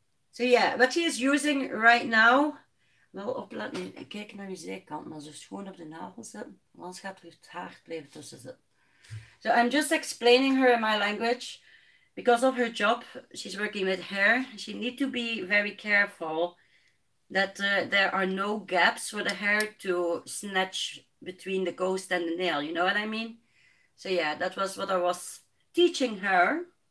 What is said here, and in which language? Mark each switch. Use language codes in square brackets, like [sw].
[en] So yeah, what he is using right now... [nl] Wel opletten, kijk naar je zijkant, maar zo schoon op de nagel zitten. Anders gaat weer het haar blijven tussen zitten. [en] So I'm just explaining her in my language. Because of her job, she's working with hair. She needs to be very careful that there are no gaps for the hair to snatch between the ghost and the nail. You know what I mean? So yeah, that was what I was teaching her.